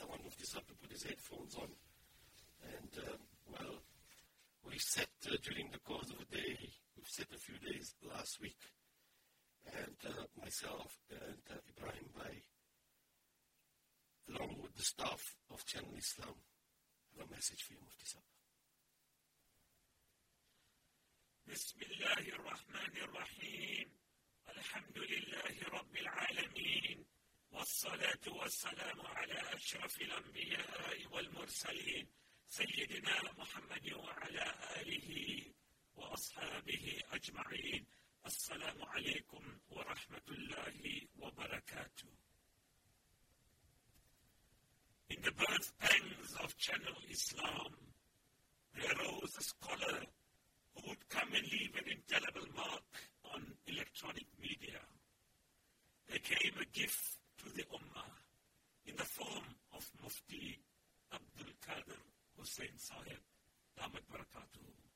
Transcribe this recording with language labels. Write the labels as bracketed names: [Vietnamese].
[English] I want Mufti Saab to put his headphones on. And, well, we sat during the course of a day, we've sat a few days last week, and myself and Ibrahim Bai, along with the staff of Channel Islam, have a message for you, Mufti Saab. [Arabic] بسم الله الرحمن الرحيم الحمد لله رب العالمين والصلاة والسلام على أشرف الأنبياء والمرسلين سيدنا محمد وعلى آله وأصحابه أجمعين السلام عليكم ورحمة الله وبركاته. [English] In the birth pangs of Channel Islam there arose a scholar who would come and leave an indelible mark on electronic media. There came a gift to the Ummah in the form of Mufti Abdul Qadir Hussain Sahib, Damat Barakatuhu.